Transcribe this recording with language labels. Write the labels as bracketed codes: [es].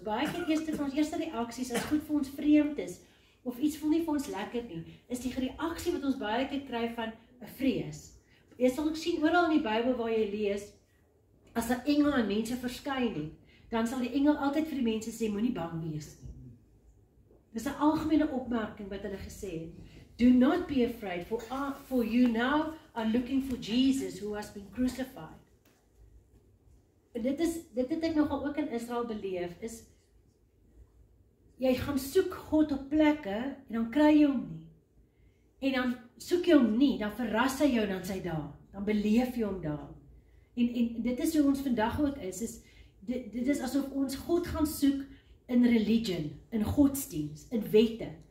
[af] Baie keer ons eerste reaksies as goed vir ons vreemd is of iets voel nie vir ons lekker nie, is die reaksie wat ons baie keer kry van 'n vrees. Jy sal ook sien oral in die Bybel waar jy lees as 'n engel aan mense verskyn het, dan sal die engel altyd vir die mense sê moenie bang wees nie. Dis 'n algemene opmerking wat hulle gesê het. [en] Do not be afraid for you now are looking for Jesus who has been crucified. [af] Dit het ek nogal ook in Israel beleef, is jy gaan soek God op plekke en dan kry jy hom nie. En dan soek jy hom nie, dan verras hy jou en dan sy daar. Dan beleef jy hom daar. En dit is hoe ons vandag ook is dit is asof ons God gaan soek in religion, in godsdienst, in wette.